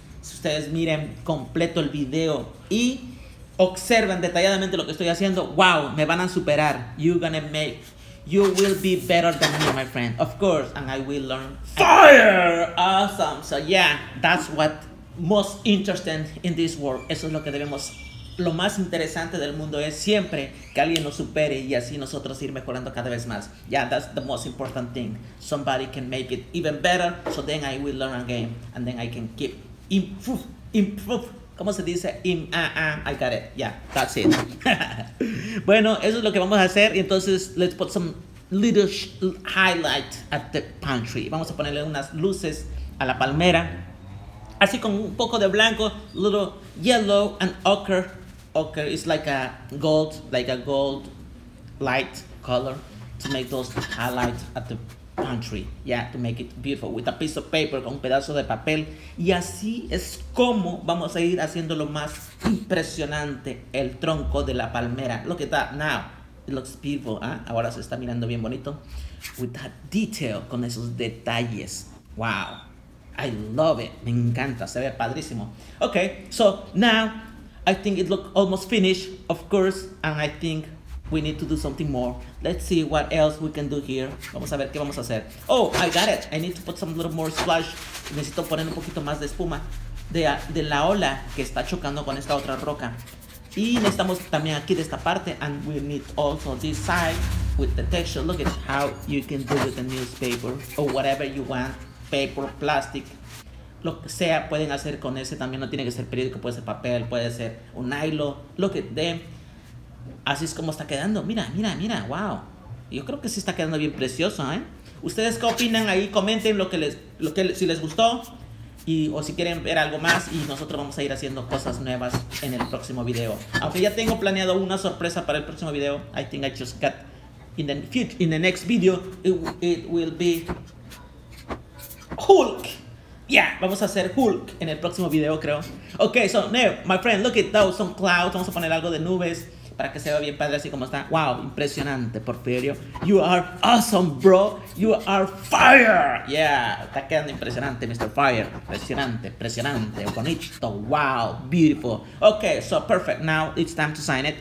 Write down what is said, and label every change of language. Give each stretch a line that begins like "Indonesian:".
Spanish: Si ustedes miren completo el video y observan detalladamente lo que estoy haciendo, wow, me van a superar.
English: You will be better than me, my friend. Of course, and I will learn. Fire! Awesome. So yeah, that's what most interesting in this world.
Spanish: Eso es lo que debemos. Lo más interesante del mundo es siempre que alguien nos supere y así nosotros ir mejorando cada vez más.
English: Yeah, that's the most important thing. Somebody can make it even better, so then I will learn again. And then I can keep improve.
Spanish: ¿Cómo se dice?
English: I got it. Yeah, that's it.
Spanish: Bueno, eso es lo que vamos a hacer. Y entonces,
English: let's put some little highlight at the palm tree.
Spanish: Vamos a ponerle unas luces a la palmera. Así con un poco de blanco,
English: little yellow and ochre. Ochre is like a gold light color to make those highlights at the palm tree. Yeah, to make it beautiful with a piece of paper,
Spanish: con un pedazo de papel. Y así es como vamos a ir haciendo lo más impresionante el tronco de la palmera.
English: Look at that now. It looks beautiful, ¿eh?
Spanish: Ahora se está mirando bien bonito.
English: With that detail,
Spanish: con esos detalles. Wow.
English: I love it.
Spanish: Me encanta. Se ve padrísimo.
English: Okay, so now I think it looks almost finished, of course, and I think we need to do something more. Let's see what else we can do here.
Spanish: Vamos a ver qué vamos a hacer.
English: Oh, I got it. I need to put some little more splash.
Spanish: Necesito poner un poquito más de espuma de la ola que está chocando con esta otra roca. Y necesitamos también aquí de esta parte,
English: and we need also this side with the texture. Look at how you can do with the newspaper or whatever you want, paper, plastic.
Spanish: Lo que sea, pueden hacer con ese también. No tiene que ser periódico, puede ser papel, puede ser un nylon.
English: Look at them.
Spanish: Así es como está quedando. Mira, mira, mira. Wow. Yo creo que sí está quedando bien precioso, ¿eh? ¿Ustedes qué opinan ahí? Comenten si les gustó y, o si quieren ver algo más. Y nosotros vamos a ir haciendo cosas nuevas en el próximo video. Aunque ya tengo planeado una sorpresa para el próximo video.
English: I think I just got in the next video. It will be Hulk.
Spanish: Yeah, vamos a hacer Hulk en el próximo video, creo.
English: Okay, so now, my friend, look at those, some clouds.
Spanish: Vamos a poner algo de nubes para que se vea bien padre así como está.
English: Wow, impresionante, Porfirio. You are awesome, bro. You are fire. Yeah,
Spanish: está quedando impresionante,
English: Mr. Fire.
Spanish: Impresionante, impresionante, bonito. Wow, beautiful.
English: Okay, so perfect. Now it's time to sign it.